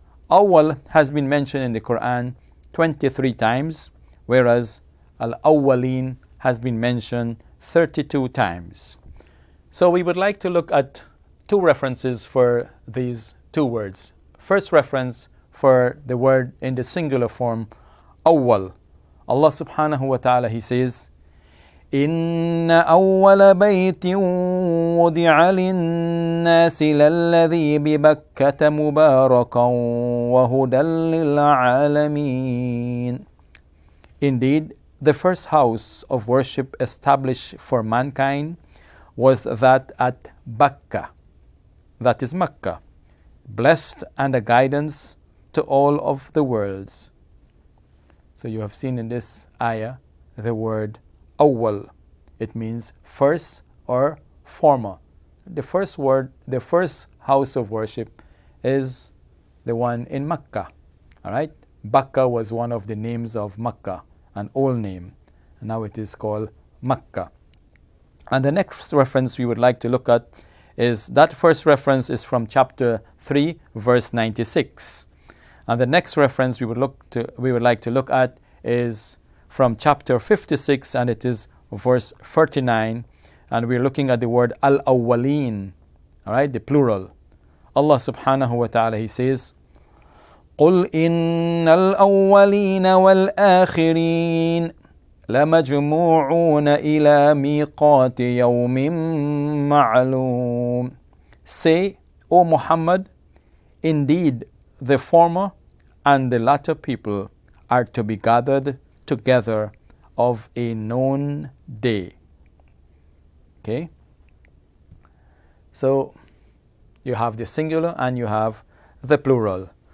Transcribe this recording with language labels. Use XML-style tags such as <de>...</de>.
<en>Awwal has been mentioned in the Quran 23 times, whereas al-awwalin has been mentioned 32 times. So we would like to look at two references for these two words. First reference for the word in the singular form, awwal. Allah subhanahu wa ta'ala, he says,</en> <ar>إِنَّ أَوَّلَ بَيْتٍ وُضِعَ لِلنَّاسِ لَلَّذِي بِبَكَّةَ مُبَارَكًا وَهُدًى لِلْعَالَمِينَ.</ar> <en>Indeed, the first house of worship established for mankind was that at Bakkah, that is Makkah, blessed and a guidance to all of the worlds. So you have seen in this ayah the word awwal. It means first or former. The first word, the first house of worship is the one in Makkah. All right? Bakkah was one of the names of Makkah, an old name. Now it is called Makkah. And the next reference we would like to look at is that first reference is from chapter 3, verse 96. And the next reference we would like to look at is from chapter 56, and it is verse 39. And we're looking at the word al-awwaleen, all right, the plural. Allah subhanahu wa ta'ala, he says,</en> <ar>قُلْ إِنَّ الْأَوَّلِينَ وَالْآخِرِينَ لَمَجْمُوعُونَ إِلَى مِيقَاتِ يَوْمٍ مَعْلُومٍ.</ar> <en>Say, O Muhammad, indeed the former and the latter people are to be gathered together of a known day. Okay? So, you have the singular and you have the plural.</en>